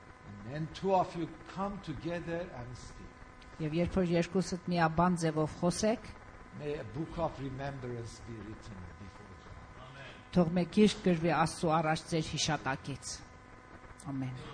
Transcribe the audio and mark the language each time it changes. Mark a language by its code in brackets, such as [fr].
[en] And then two of you come together and speak. [hy] Եվ երբ որ երկուսդ միաբան ձևով խոսեք, [en] May a book of remembrance be written before you. Amen. [hy] Թող մեկ իշ գրվի Աստծո առաջ ձեր հիշատակից։ Ամեն։